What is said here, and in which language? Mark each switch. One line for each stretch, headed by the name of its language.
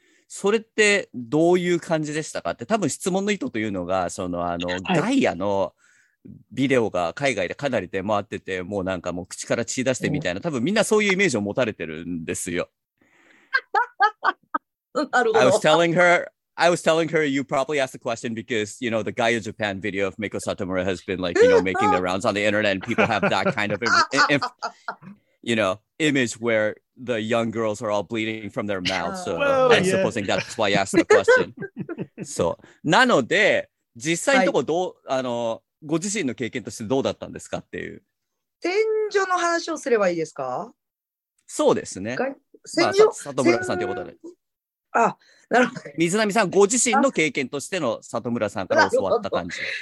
Japanese: それってどういう感じでしたかって、多分質問の意図というのが、はい、ガイアのビデオが海外でかなり出回ってて、もうなんかもう口から血出してみたいな、多分みんなそういうイメージを持たれてるんですよ。なるほど。
English: I was telling her you probably asked the question because, you know, the Gaia Japan video of Miko Satomura has been like, you know, making the rounds on the internet and people have that kind of you know, image where the young girls are all bleeding from their mouths. So supposing that's why I asked the question.
Japanese: So, なので、実際のとこどう、はい、ご自身の経験としてどうだったんですかっていう。戦場の話をすればいいですか？そうですね。戦場、まあ、里村さんっていうことで。あ、なるほど。水波さん、ご自身の経験としての里村さんから教わった感じ。